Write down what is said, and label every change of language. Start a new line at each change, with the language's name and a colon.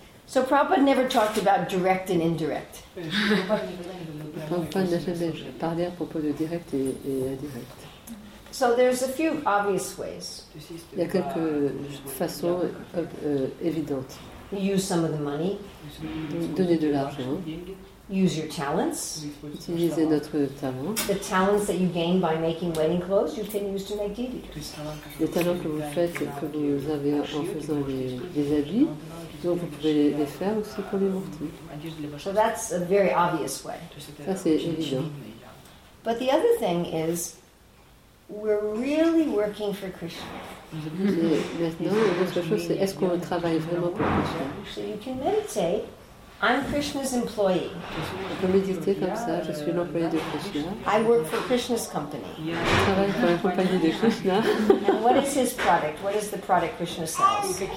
English: So Prabhupada never talked about direct and indirect.
French: Prabhupada n'a jamais parlé à propos de direct et indirect.
English: So there's a few obvious ways.
French: Il y a quelques façons évidentes.
English: Use some of the money.
French: Donner de l'argent.
English: Use your talents.
French: Utiliser notre talent.
English: The talents that you gain by making wedding clothes, you can use to make deity dresses.
French: Les talents que vous faites, que vous avez en faisant les habits, donc vous pouvez les faire aussi pour les mortiers.
English: So that's a very obvious way.
French: Ça, c'est évident.
English: But the other thing is, we're really working for Krishna.
French: Et maintenant, l'autre chose, c'est est-ce qu'on travaille vraiment pour Krishna?
English: So you can meditate. I'm Krishna's employee.
French: Vous méditez comme ça, je suis l'employé de Krishna.
English: I work for Krishna's company.
French: Je travaille pour la compagnie de Krishna.
English: And what is his product? What is the product Krishna sells?